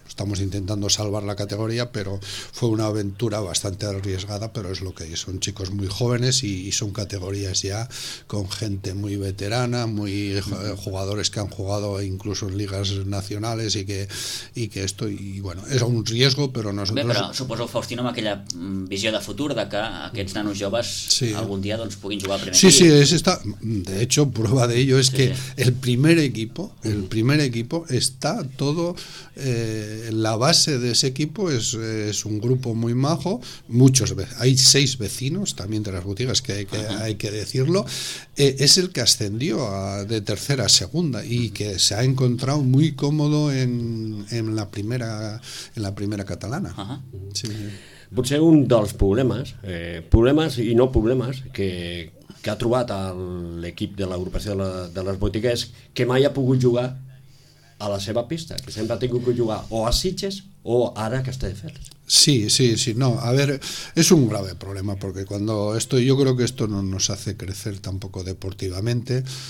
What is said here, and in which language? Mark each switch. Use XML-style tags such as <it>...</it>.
<es>Estamos intentando salvar la categoría, pero fue una aventura bastante arriesgada, pero es lo que son chicos muy jóvenes y son categorías ya con gente muy veterana, muy jugadores que han jugado incluso en ligas nacionales y que esto, y bueno, es un riesgo, pero nosotros...</es> <ca>Bé, però suposo, Faustino, amb aquella visió de futur de que aquests nanos joves algun dia doncs puguin jugar al primer equip.</ca> <es>Sí, de hecho, prueba de ello es que el primer equipo está todo... La base de ese equipo es un grupo muy majo, hay 6 vecinos también de las botigas que hay que decirlo, es el que ascendió de tercera a segunda y que se ha encontrado muy cómodo en la primera catalana. Sí.</es> <ca>Potser un dels problemes, problemes i no problemes, que ha trobat l'equip de l'agrupació de les botigues, que mai ha pogut jugar a la seva pista, que sempre ha tingut que jugar o a Sitges o ara a Castelldefels.</ca> <es>Sí, sí, sí, no, a ver, es un grave problema, porque cuando esto, yo creo que esto no nos hace crecer tampoco deportivamente.</es>